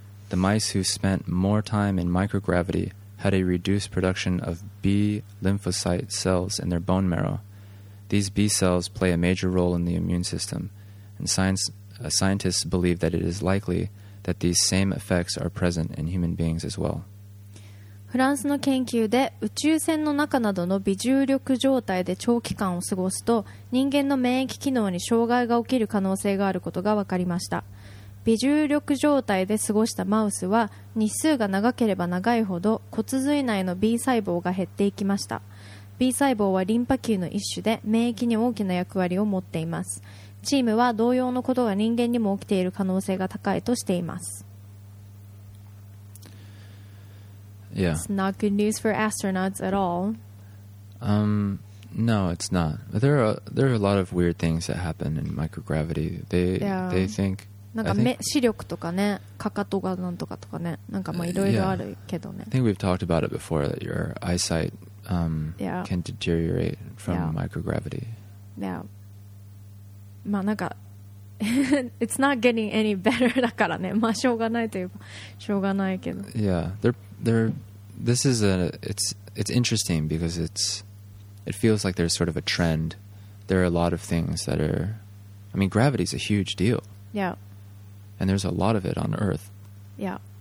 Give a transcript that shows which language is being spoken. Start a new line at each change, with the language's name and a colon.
English: The mice who spent more time in microgravity had a reduced production of B lymphocyte cells in their bone marrow. These B cells play a major role in the immune system, and scientists believe that it is likely that these same effects are present in human beings as well.
Japanese: フランスの研究で宇宙船の中などの微重力状態で長期間を過ごすと人間の免疫機能に障害が起きる可能性があることが分かりました。微重力状態で過ごしたマウスは日数が長ければ長いほど骨髄内の B 細胞が減っていきました。 B 細胞はリンパ球の一種で免疫に大きな役割を持っています。チームは同様のことが人間にも起きている可能性が高いとしています。
English: Yeah. It's not good news for astronauts at all. No, it's not. There are a lot of weird things that happen in microgravity. They think.
Japanese: なんか視力とかね、かかとがなんとかとかね、なんかまあいろいろあるけどね。
English: I think we've talked about it before that your eyesight can deteriorate from microgravity. Yeah.
Japanese: まあなんか
English: It's not getting any better
Japanese: だからね。まあしょうがないといえばしょうがないけど。
English: Yeah, this is it's interesting because it feels like there's sort of a trend. There are a lot of things that are, I mean, gravity is a huge deal. Yeah. And there's a lot of it on Earth. Yeah.